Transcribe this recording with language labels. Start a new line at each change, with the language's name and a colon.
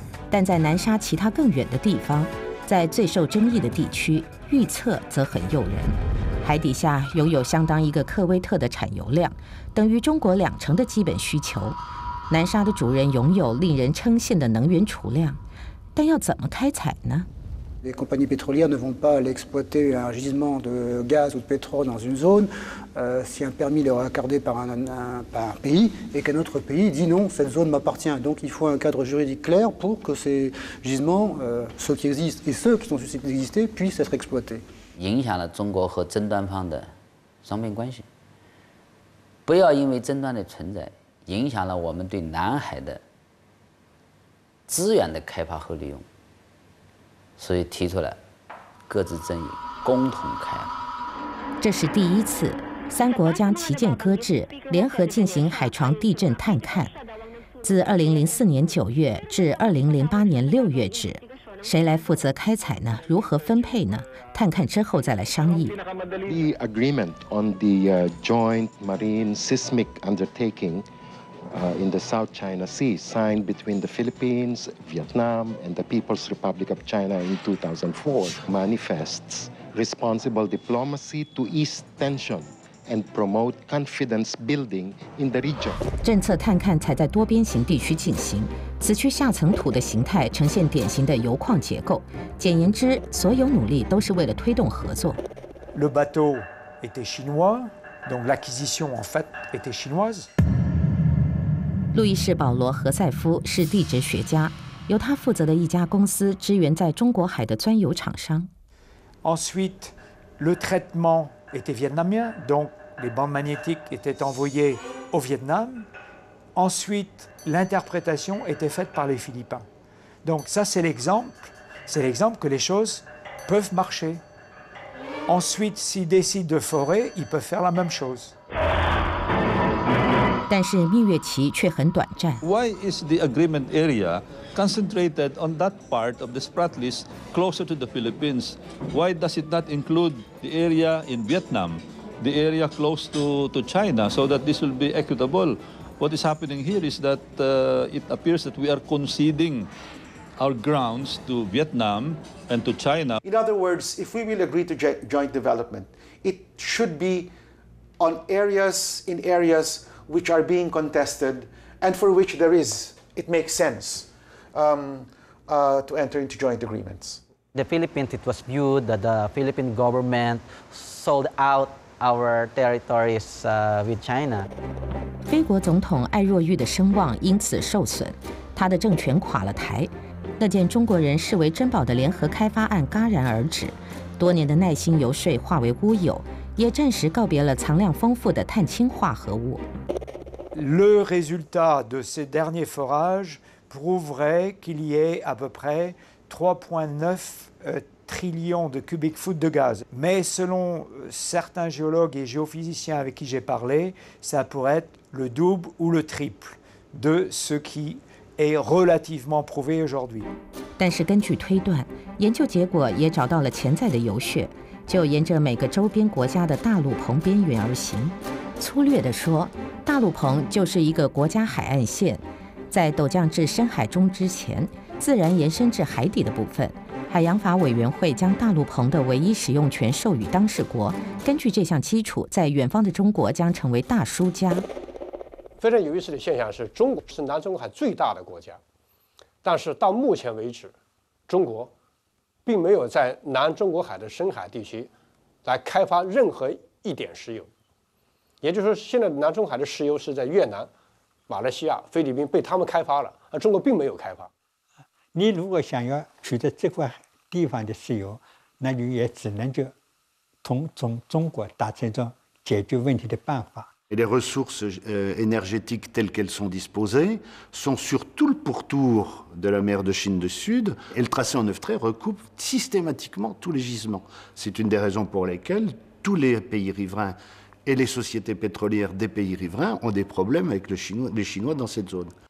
Chinese: 但在南沙其他更远的地方，在最受争议的地区，预测则很诱人。海底下拥有相当一个科威特的产油量，等于中国20%的基本需求。南沙的主人拥有令人称羡的能源储量，但要怎么开采呢？
French: Les compagnies pétrolières ne vont pas aller exploiter un gisement de gaz ou de pétrole dans une zone si un permis leur est accordé par un pays et qu'un autre pays dit non, cette zone m'appartient. Donc il faut un cadre juridique clair pour que ces gisements, ceux qui existent et ceux qui sont susceptibles d'exister, puissent être exploités.
Chinese: 影响了中国和争端方的双边关系。不要因为争端的存在影响了我们对南海的资源的开发和利用。所以提出了各自阵营共同开发。这是第一次，三国将旗舰搁置，联合进行海床地震探勘。自2004年9月至2008年6月止，谁来负责开采呢？如何分配呢？探勘之后再来商议。
English: The agreement on the joint marine seismic undertaking in the South China Sea, signed between the Philippines, Vietnam, and the People's Republic of China in 2004, manifests responsible diplomacy to ease tension and promote confidence building in the region.
Chinese: 政策探勘才在多边形地区进行，此区下层土的形态呈现典型的油矿结构。简言之，所有努力都是为了推动合作。
French: Le bateau était chinois, donc l'acquisition en fait était chinoise.
Chinese: 路易士·保罗·何塞夫是地质学家，由他负责的一家公司支援在中国海的钻油厂商。
French: Ensuite, le traitement était vietnamien, donc les bandes magnétiques étaient envoyées au Vietnam. Ensuite, l'interprétation était faite par les Philippins. Donc ça, c'est l'exemple que les choses peuvent marcher. Ensuite, s'ils décident de forer, ils peuvent faire la même chose.
Chinese: 但是蜜月期却很短暂.
English: Why is the agreement area concentrated on that part of the Spratlys closer to the Philippines? Why does it not include the area in Vietnam, the area close to China, so that this will be equitable? What is happening here is that it appears that we are conceding our grounds to Vietnam and to China. In other words, if we will agree to joint development, it should be on areas in areas. Which are being contested and for which there is, it makes sense to enter into joint agreements. The Philippines, it was viewed that the Philippine government sold out our territories with China.
Chinese: 菲国总统艾若玉的声望因此受损，他的政权垮了台，那件中国人视为珍宝的联合开发案戛然而止，多年的耐心游说化为乌有。也暂时告别了藏量丰富的碳氢化合物。
French: Le résultat de ces derniers forages prouverait qu'il y ait à peu près 3,9 trillions de cubic foot de gaz. Mais selon certains géologues et géophysiciens avec qui j'ai parlé, ça pourrait être le double ou le triple de ce qui est relativement prouvé aujourd'hui.
Chinese: 但是根据推断，研究结果也找到了潜在的油穴。就沿着每个周边国家的大陆棚边缘而行。粗略地说，大陆棚就是一个国家海岸线，在陡降至深海中之前，自然延伸至海底的部分。海洋法委员会将大陆棚的唯一使用权授予当事国，根据这项基础，在远方的中国将成为大输家。非常有意思的现象是，中国是南中国海最大的国家，但是到目前为止，中国并没有在南中国海的深海地区来开发任何一点石油，也就是说，现在南中海的石油是在越南、马来西亚、菲律宾被他们开发了，而中国并没有开发。你如果想要取得这块地方的石油，那你也只能就从中国达成一种解决问题的办法。
French: Les ressources énergétiques telles qu'elles sont disposées sont sur tout le pourtour de la mer de Chine du Sud et le tracé en neuf traits recoupe systématiquement tous les gisements. C'est une des raisons pour lesquelles tous les pays riverains et les sociétés pétrolières des pays riverains ont des problèmes avec les Chinois dans cette zone.